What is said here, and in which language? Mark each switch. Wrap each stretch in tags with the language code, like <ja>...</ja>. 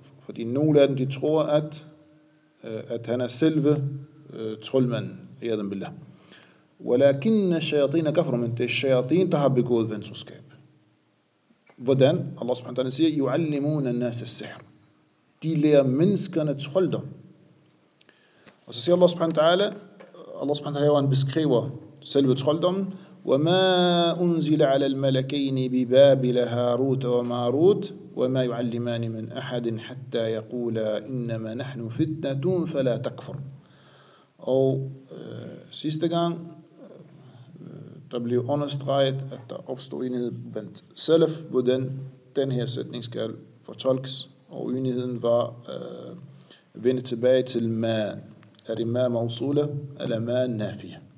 <da>Fordi nogle af dem, de tror, at han er selve troldmanden, ayyadan billah.</da> <ar>وَلَكِنَّ الشَّيَاطِينَ كَفَرُ.</ar> <da>Men det er shayatin, der har begået venskab. Hvordan? Allah subhanahu wa ta'ala siger,</da> <ar>يُعَلِّمُونَ النَّاسَ السِّحْرُ.</ar> <da>De lærer menneskerne trolddom. Og så siger Allah subhanahu wa ta'ala, Allah subhanahu wa ta'ala, han beskriver selve trolddommen,</da> <ar>وَمَا أُنزِلَ عَلَى الْمَلَكَيْنِ بِبَابِلَ هَارُوتَ وَمَارُوتَ وَمَا يُعَلِّمَانِ مِنْ أَحَدٍ حَتَّى يَقُولَ إِنَّمَا نَحْنُ فِتْنَةٌ فَلَا تَكْفُرْ.</ar> <da>Og sidste gang, der blev understreget, at der opstod enighed blandt selv, hvordan den her sætning skal fortolkes, og enigheden var vendt tilbage til ma, er det ma mausula, eller ma nafiya.</da>